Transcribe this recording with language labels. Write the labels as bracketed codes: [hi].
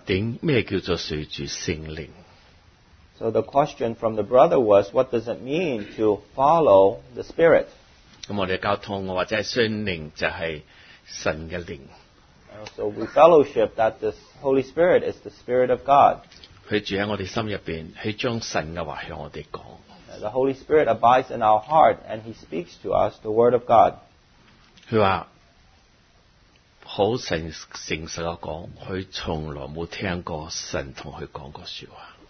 [zh] 今天就弟兄问他说,什么叫做随着圣灵? [en] So the question from the brother was, what does it mean to follow the Spirit? [zh] 我们交通或者圣灵就是神的灵。 [en] So we fellowship that the Holy Spirit is the Spirit of God. [zh] 他住在我们心里面,他将神的话向我们讲。 [en] The Holy Spirit abides in our heart, and He speaks to us the Word of God. [zh] 他说, 很诚实地说,他从来没听过神跟他说过说话。